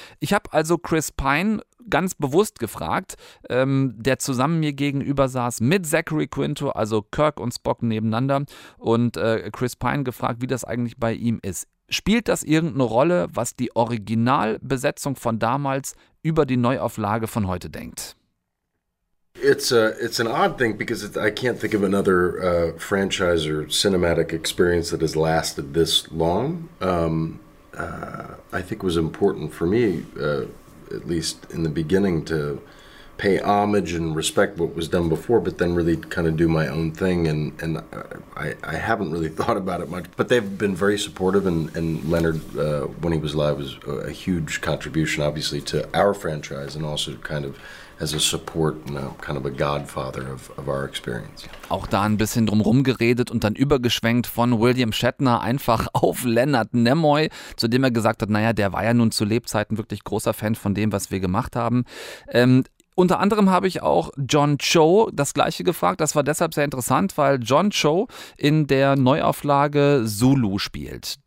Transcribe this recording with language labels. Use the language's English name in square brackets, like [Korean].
[German] Ich habe also Chris Pine ganz bewusst gefragt, der zusammen mir gegenüber saß mit Zachary Quinto, also Kirk und Spock nebeneinander, und Chris Pine gefragt, wie das eigentlich bei ihm ist. Spielt das irgendeine Rolle, was die Originalbesetzung von damals über die Neuauflage von heute denkt? [English] It's an odd thing because I can't think of another franchise or cinematic experience that has lasted this long. I think it was important for me at least in the beginning, to pay homage and respect what was done before, but then really kind of do my own thing. And I haven't really thought about it much, but they've been very supportive. And Leonard, when he was alive, was a huge contribution, obviously, to our franchise, and also kind of as a support and a kind of a godfather of our experience. [German] Auch da ein bisschen drumherum geredet und dann übergeschwenkt von William Shatner einfach auf Leonard Nimoy, zu dem er gesagt hat, naja, der war ja nun zu Lebzeiten wirklich großer Fan von dem, was wir gemacht haben. Unter anderem habe ich auch John Cho das Gleiche gefragt. Das war deshalb sehr interessant, weil John Cho in der Neuauflage Sulu spielt.